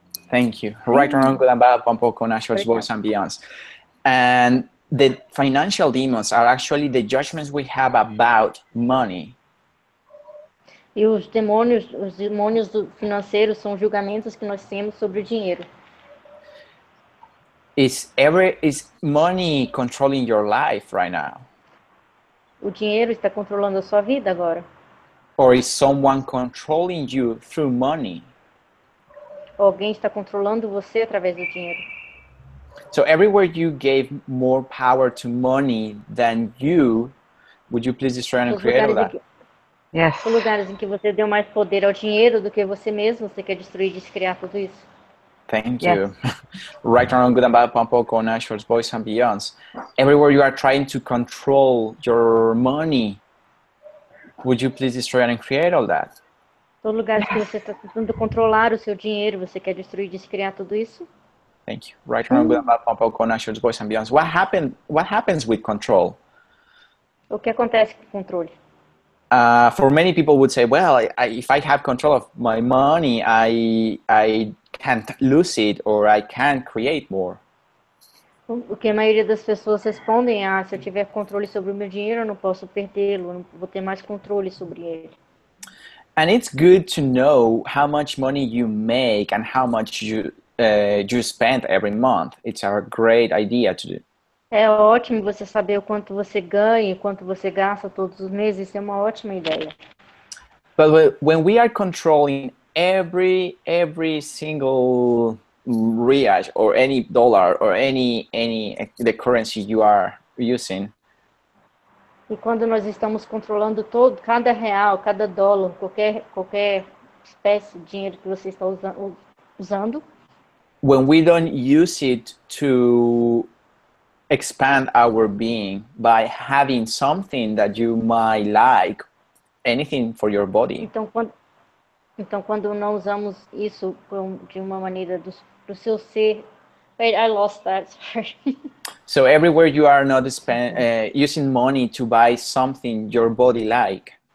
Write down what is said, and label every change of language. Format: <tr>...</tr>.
<en>Thank you. Right or wrong, good and bad, pompo con Asher's voice and beyond. And the financial demons are actually the judgments we have about money.</en> <pt>E os demônios financeiros são julgamentos que nós temos sobre o dinheiro.</pt> <en>Is money controlling your life right now?</en> <pt>O dinheiro está controlando a sua vida agora.</pt> <en>Or is someone controlling you through money?</en> <pt>Alguém está controlando você através do dinheiro.</pt> <en>So everywhere you gave more power to money than you, would you please destroy and create all that? Yes.</en> <pt>Os lugares em que você deu mais poder ao dinheiro do que você mesmo, você quer destruir e descriar tudo isso?</pt> <en>Thank you. Yes. Right around good and bad, Pampo, Conashers, Boys and Beyonds. Everywhere you are trying to control your money, would you please destroy and create all that?</en> <pt>Todo lugar que você está tentando controlar o seu dinheiro, você quer destruir e descriar tudo isso?</pt> <en>Thank you. Right around good and bad, Pampo, Conashers, Boys and Beyonds. What happens with control?</en> <pt>O que acontece com o controle?</pt> <en>For many people would say, well, if I have control of my money, I can't lose it or I can't create more.</en> <pt>O que a maioria das pessoas respondem é, se eu tiver controle sobre o meu dinheiro, eu não posso perdê-lo, não vou ter mais controle sobre ele.</pt> <en>And it's good to know how much money you make and how much you spend every month. It's a great idea to do.</en> <pt>É ótimo você saber o quanto você ganha e quanto você gasta todos os meses. Isso é uma ótima ideia.</pt> <en>But when we are controlling every single riyaj or any dollar or any the currency you are using.</en> <pt>E quando nós estamos controlando todo, cada real, cada dólar, qualquer espécie de dinheiro que você está usando.</pt> <en>When we don't use it to expand our being by having something that you might like, anything for your body.</en> <pt>Então quando não usamos isso de uma maneira do seu ser.</pt> <en>Wait, I lost that. So everywhere you are not using money to buy something your body like.</en>